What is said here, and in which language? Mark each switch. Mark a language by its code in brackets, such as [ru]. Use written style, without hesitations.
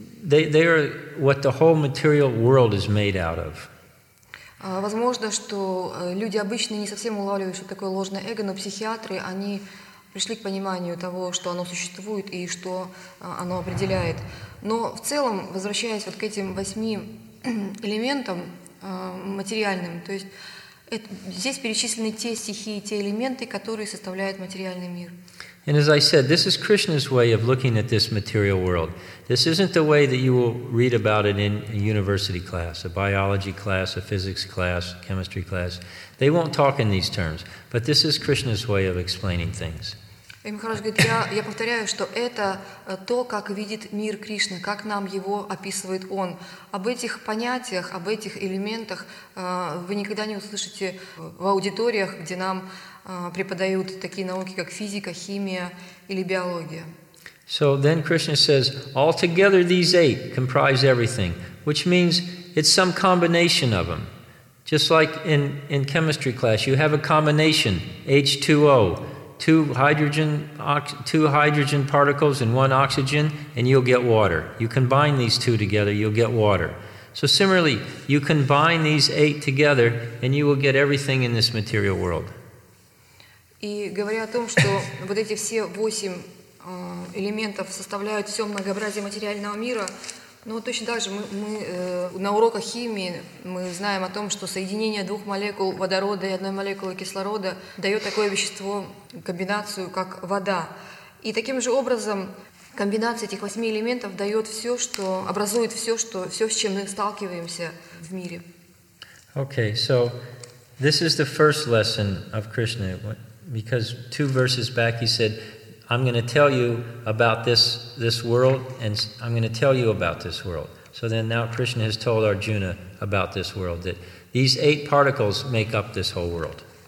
[en] They are what the whole material world is made out of. [ru] Возможно, что люди обычно не совсем улавливают, что такое ложное эго, но психиатры, они пришли к пониманию того, что оно существует и что оно определяет. Но в целом, возвращаясь вот к этим восьми элементам, материальным. То есть это, здесь перечислены те стихии, те элементы, которые составляют материальный мир. [en] And as I said, this is Krishna's way of looking at this material world. This isn't the way that you will read about it in a university class, a biology class, a physics class, a chemistry class. They won't talk in these terms, but this is Krishna's way of explaining things. [ru] И Махарадж говорит, я повторяю, что это то, как видит мир Кришна, как нам его описывает он. Об этих понятиях, об этих элементах вы никогда не услышите в аудиториях, где нам преподают такие науки, как физика, химия или биология. [en] So then Krishna says, altogether these eight comprise everything, which means it's some combination of them. Just like in chemistry class, you have a combination, H2O, two hydrogen particles and one oxygen, and you'll get water. You combine these two together, you'll get water. So similarly, you combine these eight together, and you will get everything in this material world. [ru] И говоря о том, что вот эти все восемь элементов составляют все многообразие материального мира, но точно так же мы на уроках химии мы знаем о том, что соединение двух молекул водорода и одной молекулы кислорода дает такое вещество, комбинацию, как вода. И таким же образом комбинация этих восьми элементов дает все, что образует все, что все, с чем мы сталкиваемся в мире. [en] Okay, so this is the first lesson of Krishna. Because two verses back he said, I'm going to tell you about this world, and I'm going to tell you about this world. So then now Krishna has told Arjuna about this world, that these eight particles make up this whole world.